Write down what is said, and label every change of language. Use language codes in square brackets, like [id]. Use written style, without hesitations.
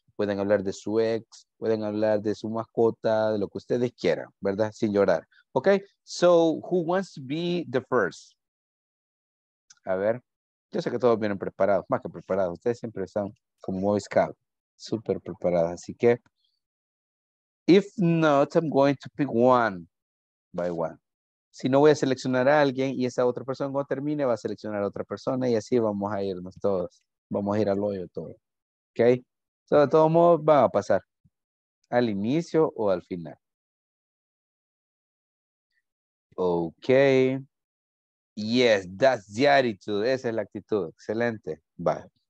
[es] Pueden hablar de su ex. Pueden hablar de su mascota, de lo que ustedes quieran, ¿verdad? Sin llorar. Okay. [en] So, who wants to be the first? [es] A ver, yo sé que todos vienen preparados, más que preparados. Ustedes siempre están como Boy Scout, súper preparados. Así que, [en] if not, I'm going to pick one by one. [es] Si no, voy a seleccionar a alguien y esa otra persona cuando termine va a seleccionar a otra persona y así vamos a irnos todos. Vamos a ir al hoyo todo. ¿Ok? So, de todos modos, van a pasar al inicio o al final. Ok. [en] Yes, that's the attitude. [es] Esa es la actitud. Excelente. Va.